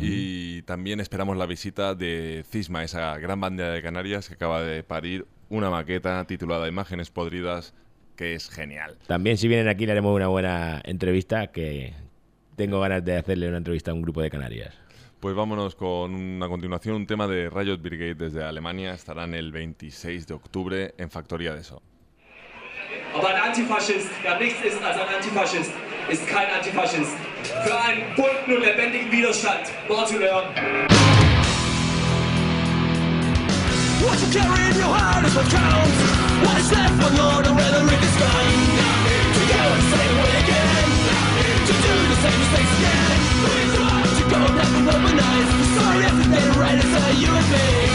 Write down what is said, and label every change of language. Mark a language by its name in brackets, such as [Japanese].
[Spanish] Y también esperamos la visita de Cisma, esa gran banda de Canarias que acaba de parir una maqueta titulada Imágenes Podridas, que es genial. También, si vienen aquí, le haremos una buena entrevista, que tengo ganas de hacerle una entrevista a un grupo de Canarias. Pues vámonos con una continuación, un tema de Riot Brigade desde Alemania. Estarán el 26 de octubre en Factoría de So. [German] Aber ein Antifaschist, der nichts ist als ein Antifaschist, ist kein Antifaschist. Für einen bunten und lebendigen Widerstand. Mortulern. [English] What you carry in your heart is what counts. What is left when all the rhetoric is gone. To go the same way again. To do the same mistakes again. To go and have them open eyes. Sorry if they didn't write it to you and me.